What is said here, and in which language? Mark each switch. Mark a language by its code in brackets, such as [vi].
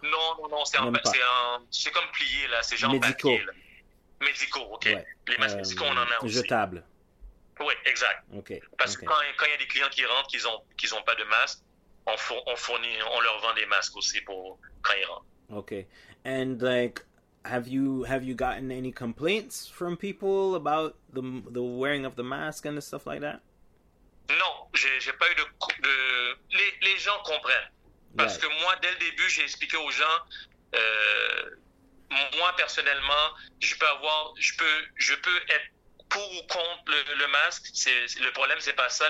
[fr] Non, c'est comme plié, là, c'est genre médicaux. Papier, là. Médicaux, OK. Ouais. Les masques médicaux, on en a aussi. Jetables. Oui, exact. Okay. Parce que quand il y a des clients qui rentrent, qu'ils ont pas de masque, on leur vend des masques aussi pour quand ils rentrent. Okay. [en] And like, have you gotten any complaints from people about the wearing of the mask and the stuff like that? [fr] Non, j'ai pas eu de les gens comprennent. Parce [en] right. [fr] que moi, dès le début, j'ai expliqué aux gens. Moi personnellement, je peux être pour ou contre le masque, le problème, c'est pas ça.